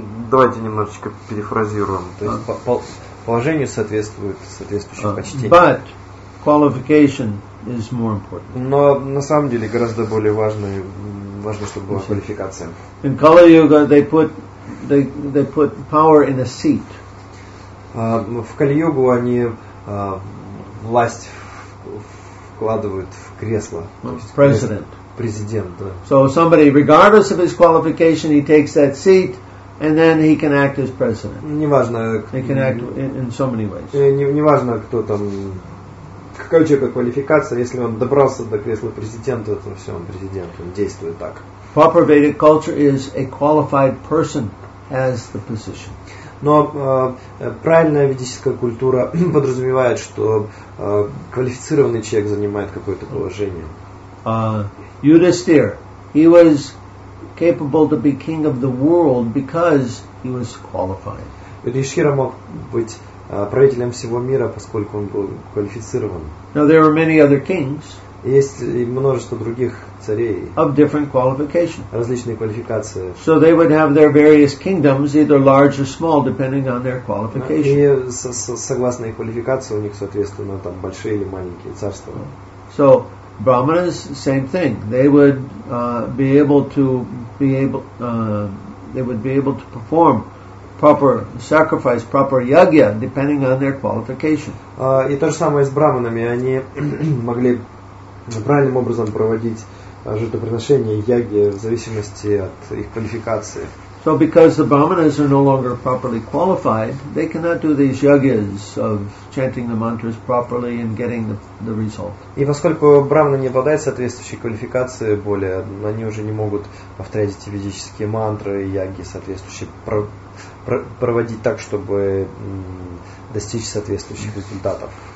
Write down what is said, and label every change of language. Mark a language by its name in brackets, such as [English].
[Russian] Давайте немножечко перефразируем. То есть положению соответствующее почтение. [English] But qualification is more important. [Russian] Но на самом деле гораздо более важно, чтобы была квалификация. [English] In Kali Yuga they put power in a seat. [Russian] В Кали-Югу они власть вкладывают в кресло. [English] President. [Russian] Президент, да. [English] So somebody, regardless of his qualification, he takes that seat, and then he can act as president. [Russian] Неважно. [English] He can act in so many ways. [Russian] Неважно, кто там, какая у человека квалификация, если он добрался до кресла президента, то все, он президент, он действует так. [English] Proper Vedic culture is a qualified person has the position. [Russian] Но правильная ведическая культура подразумевает, что квалифицированный человек занимает какое-то положение. [English] Yudhisthira, he was capable to be king of the world because he was qualified. [Russian] Юдхиштхира мог быть правителем всего мира, поскольку он был квалифицирован. [English] Now there are many other kings. [Russian] Есть и множество других царей. [English] Of different qualifications. [Russian] Различные квалификации. [English] So they would have their various kingdoms, either large or small, depending on their qualification. [Russian] И согласно их квалификации у них соответственно там большие или маленькие царства. [English] So brahmanas, same thing. They would be able to perform proper sacrifice, proper yagya, depending on their qualification. [Russian] И то же самое с брахманами. Они могли правильным образом проводить жертвоприношения, яги, в зависимости от их квалификации. [English] So because the brahmanas are no longer properly qualified, they cannot do these yagyas of chanting the mantras properly and getting the result. [Russian] И поскольку брахманы не обладают соответствующей квалификацией более, они уже не могут повторять эти ведические мантры и яги соответствующие проводить так, чтобы достичь соответствующих результатов.